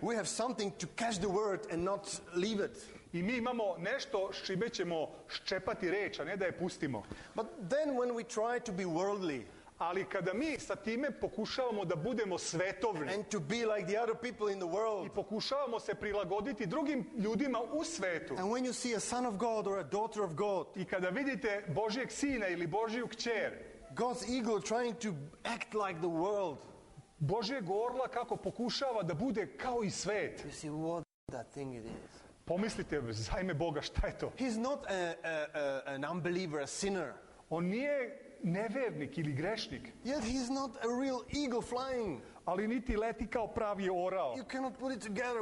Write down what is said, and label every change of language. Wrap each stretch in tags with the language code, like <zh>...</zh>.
<en>We have something to catch the word and not leave it.</en> <sr>I mi imamo nešto s čime ćemo ščepati reč, a ne da je pustimo.</sr> <en>But then when we try to be worldly,</en> <sr>Ali kada mi sa time pokušavamo da budemo svetovni</sr> <en>and to be like the other people in the world,</en> <sr>i pokušavamo se prilagoditi drugim ljudima u svetu,</sr> <en>and when you see a son of God or a daughter of God,</en> <sr>i kada vidite Božijeg sina ili Božiju kćer,</sr> <en>God's eagle trying to act like the world,</en> <sr>Božijeg orla kako pokušava da bude kao i svet,</sr> <en>you see what that thing it is.</en> <sr>Pomislite, zajme Boga, šta je to?</sr> <en>He's not an unbeliever, a sinner.</en> <sr>On nije nevernik ili grešnik.</sr> <en>Yet he's not a real eagle flying.</en> <sr>Ali niti leti kao pravi orao.</sr> <en>You cannot put it together.</en>